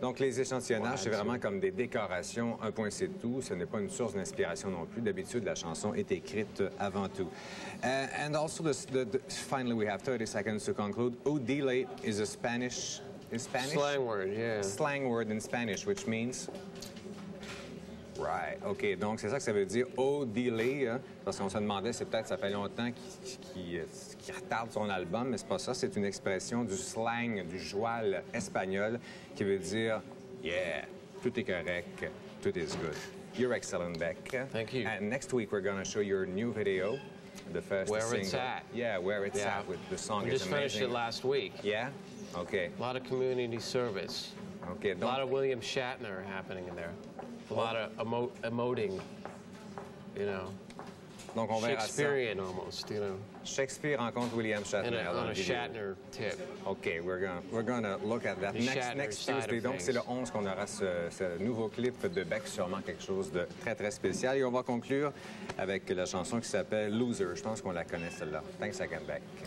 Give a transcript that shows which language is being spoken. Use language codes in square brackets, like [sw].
[fr] Donc, les échantillonnages, c'est vraiment comme des décorations. Un point, c'est tout. Ce n'est pas une source d'inspiration non plus. D'habitude, la chanson est écrite avant tout. [en] And also, finally, we have 30 seconds to conclude. Odile is a Spanish... Is Spanish? Slang word, yeah. Slang word in Spanish, which means... Right. OK. [fr] Donc, c'est ça que ça veut dire, Odile. Parce qu'on se demandait, c'est peut-être ça fait longtemps qui retarde son album, mais c'est pas ça. C'est une expression du slang, du joual espagnol, qui veut dire, yeah, tout est correct, tout [en] is good. You're excellent, Beck. Thank you. And next week, we're going to show your new video. the first where single. Where it's at. Yeah, where it's at with the song. We just finished it last week. Yeah? Okay. A lot of community service. Okay. A lot of William Shatner happening in there. A lot of emoting, you know. [fr] Donc on [en] Shakespearean almost, you know. [fr] Shakespeare rencontre William Shatner. [en] On a Shatner tip. Okay, we're gonna look at that next Tuesday. [fr] Donc c'est le 11 qu'on aura ce nouveau clip de Beck, sûrement quelque chose de très très spécial. Et on va conclure avec la chanson qui s'appelle Loser. Je pense qu'on la connaît celle-là. [en] Thanks again, Beck.